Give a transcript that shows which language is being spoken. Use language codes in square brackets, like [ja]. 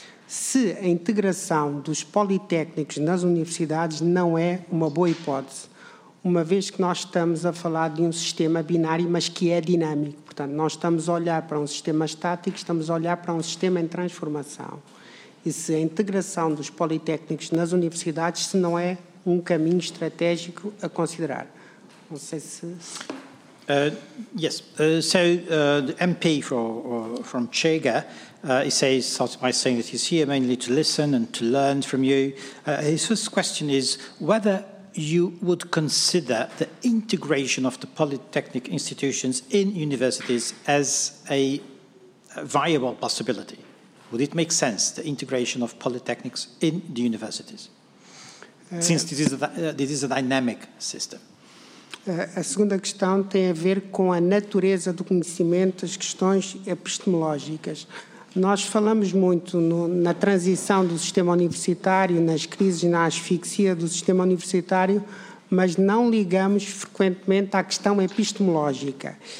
[pt] Se a integração dos politécnicos nas universidades não é uma boa hipótese, uma vez que nós estamos a falar de um sistema binário, mas que é dinâmico. Portanto, nós estamos a olhar para um sistema estático, estamos a olhar para um sistema em transformação. E se a integração dos politécnicos nas universidades, se não é um caminho estratégico a considerar. Não sei se... [en] Yes. The MP from Chega, he says, started by saying that he's here mainly to listen and to learn from you. His first question is whether you would consider the integration of the polytechnic institutions in universities as a viable possibility? Would it make sense, the integration of polytechnics in the universities, since this is a dynamic system? [pt] A segunda questão tem a ver com a natureza do conhecimento, as questões epistemológicas. Nós falamos muito na transição do sistema universitário, nas crises, na asfixia do sistema universitário, mas não ligamos frequentemente à questão epistemológica.